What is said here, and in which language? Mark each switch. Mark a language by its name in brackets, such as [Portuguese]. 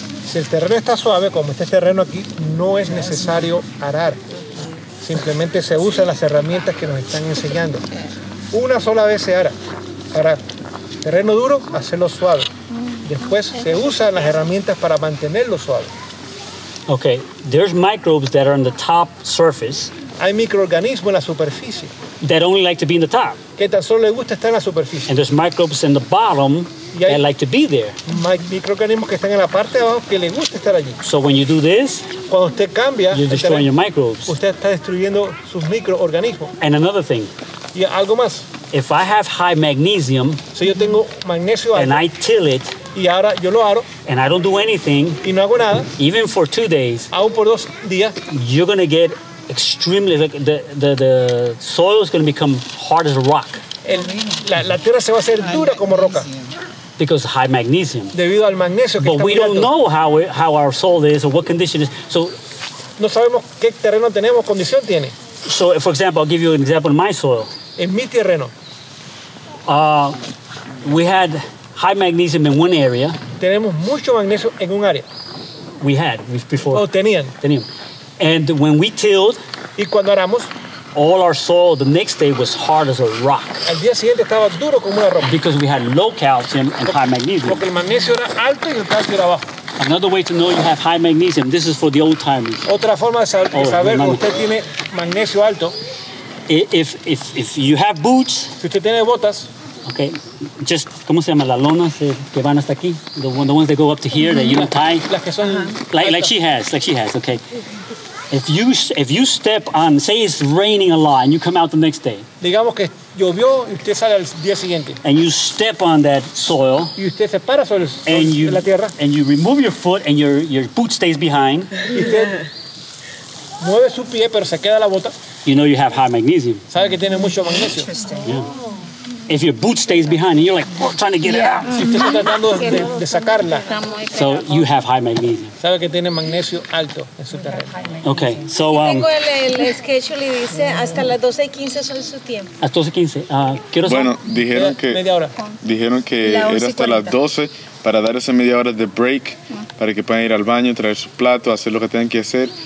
[Spanish] Si el terreno está suave, como este terreno aquí, no es necesario arar. Simplemente se usan las herramientas que nos están enseñando. Una sola vez se hará. Para terreno duro, hacerlo suave. Después se usan las herramientas para mantenerlo suave. [English] Okay, there's microbes that are on the top surface. [Spanish] Hay microorganismos en la superficie. [English] That only like to be in the top. [Spanish] Que tan solo le gusta estar en la superficie. [English] And there's microbes in the bottom that like to be there. [Spanish] Microorganismos que están en la parte de abajo que le gusta estar allí. [English] So when you do this, [Spanish] cuando usted cambia, [English] you're destroying your microbes. [Spanish] Usted está destruyendo sus microorganismos. [English] And another thing. [Spanish] Y algo más. [English] If I have high magnesium, [Spanish] si yo tengo magnesio [English] alto, and I till it, [Spanish] y ahora yo lo aro, [English] and I don't do anything, [Spanish] y no hago nada, [English] even for 2 days, [Spanish] aún por 2 días, [English] you're going to get extremely, like the soil is going to become hard as a rock. [Spanish] La tierra se va a hacer dura como roca. [English] Because high magnesium. [Spanish] Debido al magnesio que [English] but [Spanish] está [English] we don't [Spanish] alto. [English] Know how our soil is or what condition it is. So, [Spanish] no sabemos qué terreno tenemos, condición tiene. [English] So, for example, I'll give you an example in my soil. [Spanish] En mi terreno. [English] We had high magnesium in one area. [Spanish] Tenemos mucho magnesio en un área. [English] We had before. [Spanish] Oh, tenían. [English] Tenían. And when we tilled, [Spanish] y cuando aramos, [English] all our soil the next day was hard as a rock. [Spanish] Al día siguiente estaba duro como una roca. [English] Because we had low calcium and high magnesium. [Spanish] Porque el magnesio era alto y el calcio era bajo. [English] Another way to know you have high magnesium, this is for the old timers. [Spanish] Otra forma de saber que usted tiene magnesio alto. [English] If you have boots, [Spanish] si usted tiene botas, [English] okay, just, [Spanish] ¿cómo se llama? Las lonas que van hasta aquí, [English] the ones that go up to here, mm-hmm. that you untie. [Spanish] Las que son [English] like she has, okay. If you step on, say it's raining a lot and you come out the next day. [Spanish] Digamos que llovió y usted sale al día siguiente. [English] And you step on that soil. [Spanish] Y usted se para sobre la tierra. [English] And you remove your foot and your boot stays behind. [Spanish] Y usted mueve su pie pero se queda la bota. [English] You know you have high magnesium. [Spanish] Sabe que tiene mucho magnesio. [English] Interesting. Yeah. If your boot stays behind and you're like trying to get it out. [Spanish] Si usted está tratando de sacarla. [English] So you have high magnesium. [Spanish] Sabe que tiene magnesio alto en su terreno. [English] Okay, so. [Spanish] Tengo el schedule y dice hasta las 12:15 son su tiempo. Hasta 12:15. Quiero saber. Bueno, dijeron que. Media hora. Dijeron que era hasta las 12 para dar esa media hora de break para que puedan ir al baño, traer sus platos, hacer lo que tengan que hacer.